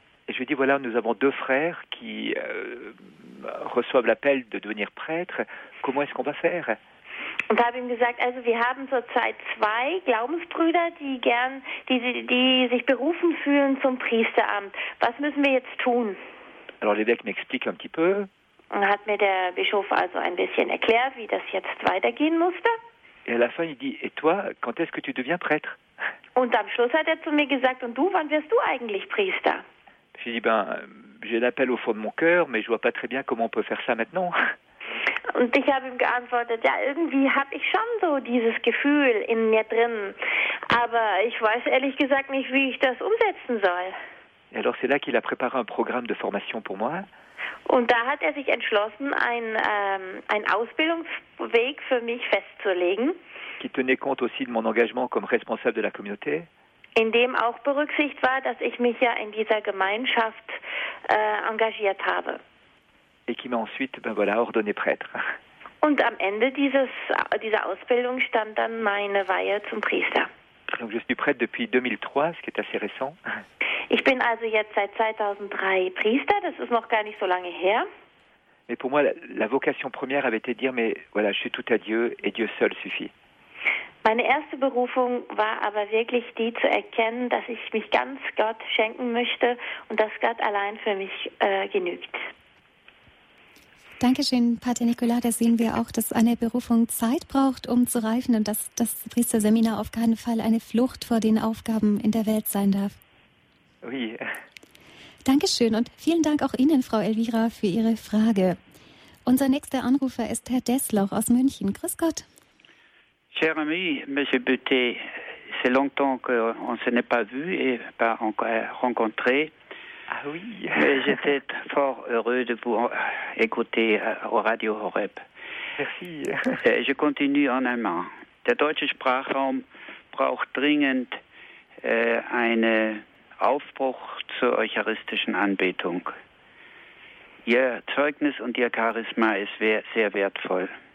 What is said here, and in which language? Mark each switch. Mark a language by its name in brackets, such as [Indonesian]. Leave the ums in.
[French] Et je lui dis voilà, nous avons deux frères qui euh, reçoivent l'appel de devenir prêtre. Comment est-ce qu'on va faire? [German] und habe ihm gesagt, also wir haben zurzeit zwei Glaubensbrüder, die gern, die, die sich berufen fühlen zum Priesteramt. Was müssen wir jetzt tun? [French] Alors l'évêque m'explique un petit peu. [German] Und hat mir der Bischof also ein bisschen erklärt, wie das jetzt weitergehen musste. [French] Et à la fin, il dit, et toi, quand est-ce que tu deviens prêtre? [German] Und am Schluss hat er zu mir gesagt, und du, wann wirst du eigentlich Priester? [French] J'ai dit, ben, j'ai l'appel au fond de mon cœur, mais je vois pas très bien comment on peut faire ça maintenant. [German] Und ich habe ihm geantwortet, ja, irgendwie habe ich schon so dieses Gefühl in mir drin, aber ich weiß ehrlich gesagt nicht, wie ich das umsetzen soll. [French] Et alors c'est là qu'il a préparé un programme de formation pour moi. [German] Und da hat er sich entschlossen, einen, ähm, einen Ausbildungsweg für mich festzulegen, [French] qui tenait compte aussi de mon engagement comme responsable de la communauté. [German] in dem auch berücksichtigt war, dass ich mich ja in dieser Gemeinschaft äh, engagiert habe. [French] et qui m'a ensuite, ben voilà, ordonné prêtre. [German] Und am Ende dieses, dieser Ausbildung stand dann meine Weihe zum Priester. [French] Donc je suis prêtre depuis 2003, ce qui est assez récent. [German] Ich bin also jetzt seit 2003 Priester, das ist noch gar nicht so lange her. [French] Mais pour moi, la, la vocation première avait été de dire, mais voilà, je suis tout à Dieu et Dieu seul suffit. [German] Meine erste Berufung war aber wirklich die zu erkennen, dass ich mich ganz Gott schenken möchte und dass Gott allein für mich äh, genügt. Dankeschön, Pater Nicola. Da sehen wir auch, dass eine Berufung Zeit braucht, um zu reifen und dass das Priesterseminar auf keinen Fall eine Flucht vor den Aufgaben in der Welt sein darf. [French] Oui, [German] Dankeschön und vielen Dank auch Ihnen, Frau Elvira, für Ihre Frage. Unser nächster Anrufer ist Herr Desloch aus München. Grüß Gott. [French] Cher ami, Monsieur Buté, c'est longtemps qu'on ne s'est pas vu et pas encore rencontré. ah oui, Mais J'étais fort heureux de vous euh, écouter euh, au Radio Horeb. merci. [German] Äh, Ich [French] continue en allemand. [German] Der deutsche Sprachraum braucht dringend äh, einen Aufbruch zur eucharistischen Anbetung. Ihr Zeugnis und Ihr Charisma ist wer- sehr wertvoll.